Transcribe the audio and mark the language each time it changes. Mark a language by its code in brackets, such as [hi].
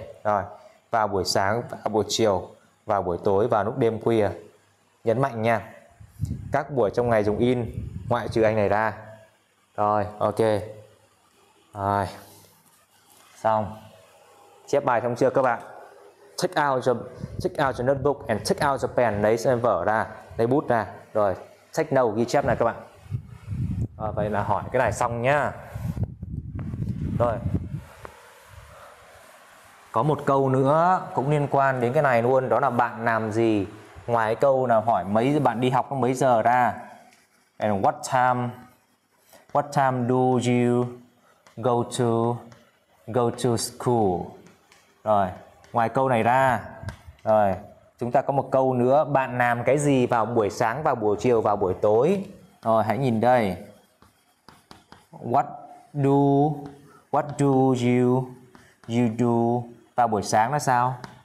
[vi] Rồi, vào buổi sáng, vào buổi chiều, vào buổi tối, vào lúc đêm khuya. Nhấn mạnh nha. Các buổi trong ngày dùng in ngoại trừ anh này ra. Rồi, ok. Rồi. Xong. Chép bài xong chưa các bạn? [en] Take out your notebook and take out your pen. [vi] Lấy xem vở ra, lấy bút ra. Rồi, [en] take note, [vi] ghi chép này các bạn. Rồi, vậy là hỏi cái này xong nhá. Rồi. Có một câu nữa cũng liên quan đến cái này luôn, đó là bạn làm gì? Ngoài cái câu là hỏi mấy bạn đi học mấy giờ ra. [en] And what time do you go to school? [vi] Rồi. Ngoài câu này ra, rồi chúng ta có một câu nữa, bạn làm cái gì vào buổi sáng, vào buổi chiều, vào buổi tối? Rồi hãy nhìn đây, [en] what do you do [vi] vào buổi sáng là sao?